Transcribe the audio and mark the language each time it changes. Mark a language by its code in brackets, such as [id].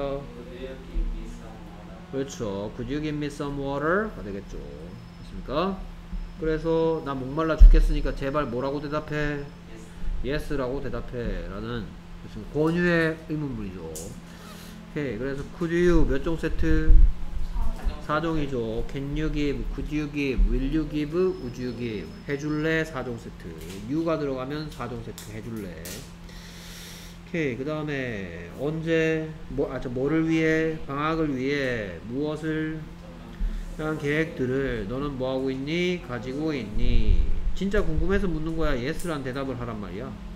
[en] Could you give me some water? [ko] 그렇죠. [en] Could you give me some water? [ko] 가 되겠죠. 됐습니까? 그래서 나 목말라 죽겠으니까 제발 뭐라고 대답해? [en] Yes. [ko] Yes라고 대답해. 라는 권유의 의문문이죠. 오케이. 그래서 [en] could you [ko] 몇 종 세트? 4종이죠. [en] Can you give, could you give, will you give, would you give [ko] 해줄래? 4종 세트. you가 들어가면 4종 세트 해줄래. 오케이. 그 다음에 언제 뭐, 아, 저 뭐를 위해 방학을 위해 무엇을 그냥 계획들을 너는 뭐하고 있니? 가지고 있니? 진짜 궁금해서 묻는 거야. yes란 대답을 하란 말이야.